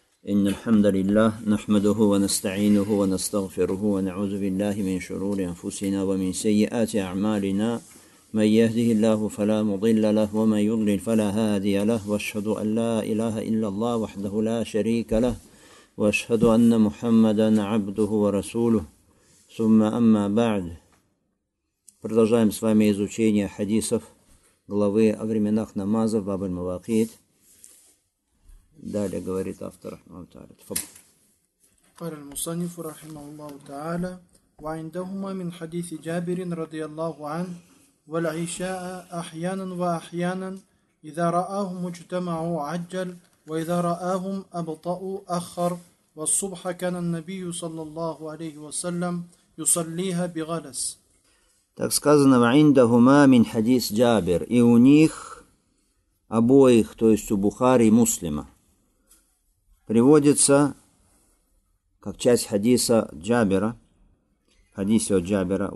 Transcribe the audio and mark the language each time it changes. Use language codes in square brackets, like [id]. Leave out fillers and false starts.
[ar] إن الحمد لله نحمده ونستعينه ونستغفره ونعوذ بالله من شرور أنفسنا ومن سيئات أعمالنا من يهده الله فلا مضل له ومن يضلل فلا هادي له وأشهد أن لا إله إلا الله وحده لا شريك له وأشهد أن محمدا عبده ورسوله ثم أما بعد [ru] продолжаем с вами изучение хадисов главы о временах намаза в Баб аль-Маваҡит. Далее говорит автор [ar] رحمه الله تعالى. قال المصنف رحمه الله تعالى وعندهما من حديث جابر رضي الله عنه والعشاء أحيانا وأحيانا إذا رآهم اجتمعوا عجل وإذا رآهم أبطأوا أخر والصبح كان النبي صلى الله عليه وسلم يصليها بغلس. [ru] Так сказано [ar] وعندهما من حديث جابر [ru] и у них обоих, то есть у Бухари и Муслима. Приводится как часть хадиса Джабера, хадиса от Джабера.